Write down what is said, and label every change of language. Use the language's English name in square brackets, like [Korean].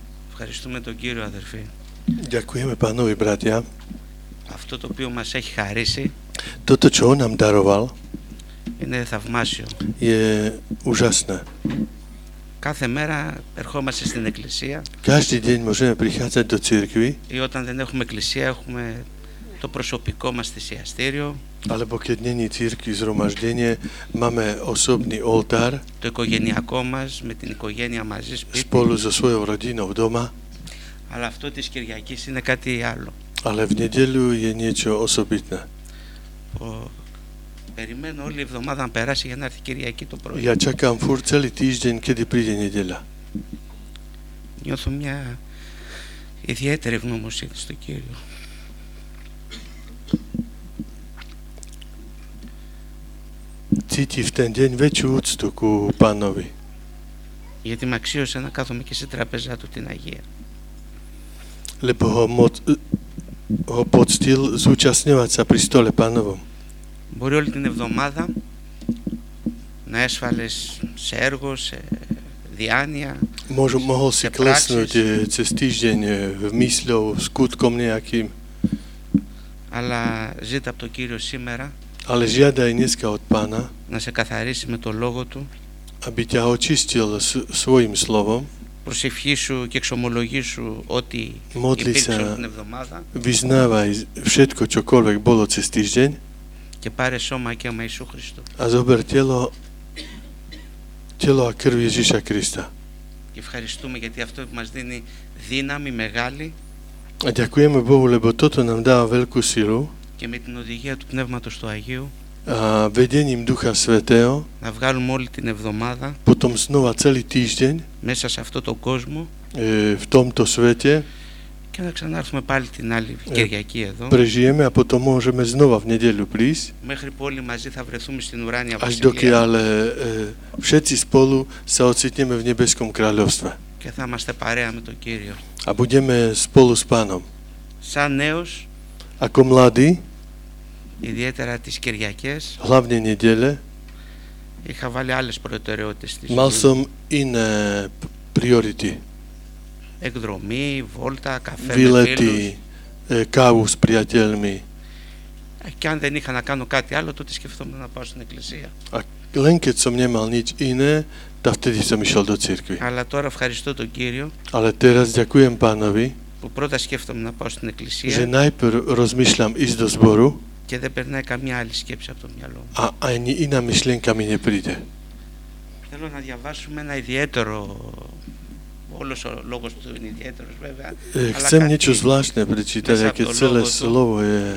[Greek] Ευχαριστούμε τον Κύριο, αδερφοί. [Slovak] Ďakujeme pánovi, bratia. [Greek] Αυτό το οποίο μας έχει χαρίσει. [Slovak] Toto, čo nám daroval. [Greek] Είναι θαυμάσιο. [Slovak] Je úžasné. [Greek] Κάθε μέρα ερχόμαστε στην εκκλησία. [Slovak] Každý deň môžeme prichádzať do cirkvi. [Greek] Ή όταν δεν έχουμε εκκλησία, έχουμε το προσωπικό μας θυσιαστήριο. [Slovak] Alebo keď není cirkvi zhromaždenie, máme osobný oltár. [Greek] Το οικογενειακό μας, με την οικογένεια μαζί σπίτι. [Slovak] Spolu so svojou rodinou doma. [Greek] Αλλά αυτό της Κυριακής είναι κάτι άλλο. [Slovak] Ale v nedeľu je niečo osobitné. [Greek] Περιμένω όλη η εβδομάδα να περάσει για να έρθει Κυριακή το πρωί. [Slovak] Ja čakám furt celý týždeň, kedy príde nedeľa. [Greek] Νιώθω μια ιδιαίτερη γνωμοσύνη στο Κύριο. [Slovak] Cíti v ten deň väčšiu úctu ku Pánovi. [Greek] Γιατί με αξίωσε να κάθομαι και σε τραπεζά του την Αγία. [Slovak] Lebo ho poctil zúčastňovať sa pri stole Pánovom. [Greek] Μπορεί όλη την εβδομάδα να έσφαλες σε έργο, σε διάνοια. [Slovak] Mohol si klesnúť cez týždeň v mysľou, skutkom nejakým. [Greek] Αλλά ζήτα από τον Κύριο σήμερα. [Slovak] Ale žiadaj dneska od Pána. [Greek] Να σε καθαρίσει με το λόγο του. [Slovak] Aby ťa očistil svojim slovom. [Greek] Προσευχή σου και εξομολογή σου ότι υπήρξε την εβδομάδα. [Slovak] Vyznávaj všetko, čokoľvek bolo cez týždeň. [Greek] Και πάρε σώμα και αίμα Ιησού Χριστού. [Slovak] A zober telo a krv Ježíša Krista. [Greek] Και ευχαριστούμε γιατί αυτό μας δίνει δύναμη μεγάλη. [Slovak] A ďakujeme Bohu, lebo toto nám dáva veľkú silu. [Greek] Και με την οδηγία του Πνεύματος του Αγίου. [Slovak] A vedením Ducha Svätého. [Greek] Να βγάλουμε όλη την εβδομάδα. [Slovak] Potom znova celý týždeň. [Greek] Μέσα σε αυτό το κόσμο. [Slovak] V tomto svete. [Greek] Και να ξανάρθουμε πάλι την άλλη Κυριακή εδώ. [Slovak] Prežijeme a potom môžeμε znova v nedeľu prísť. [Greek] Μέχρι που όλοι μαζί θα βρεθούμε στην ουράνια βασιλεία. [Slovak] Až dokiaľ všetci spolu sa ocitneme v nebeskom kráľovstve. [Greek] Και θα είμαστε παρέα με τον Κύριο. [Slovak] A budeme spolu s Pánom. [Greek] Σαν νέος. [Slovak] Ako mladý. [Greek] Ιδιαίτερα τις Κυριακές. [Slovak] Hlavne nedele. [Greek] Είχα βάλει άλλες προτεραιότητες. [Slovak] Mal som iné priority. [Greek] Εκδρομή, βόλτα, καφέ. [Slovak] Βίλετι, κάβου s priateľmi. [Greek] Και αν δεν είχα να κάνω κάτι άλλο, τότε σκεφτόμουν να πάω στην εκκλησία. [Slovak] A len keď som nemal nič iné, tak vtedy som išiel do cirkvi. [Greek] Αλλά τώρα ευχαριστώ τον Κύριο. [Slovak] Ale teraz ďakujem Pánovi. [Greek] Που πρώτα σκέφτομαι να πάω στην εκκλησία. [Slovak] Že najprv rozmýšľam ísť do zboru. [Greek] Και δεν περνάει καμία άλλη σκέψη από το μυαλό μου. [Slovak] A ani iná myšlienka mi nepríde. [Greek] Θέλω να διαβάσουμε ένα ιδιαίτερο. Όλος ο λόγος του είναι ιδιαίτερος, βέβαια. [Slovak] Chcem niečo zvláštne prečítať, aké celé slovo je.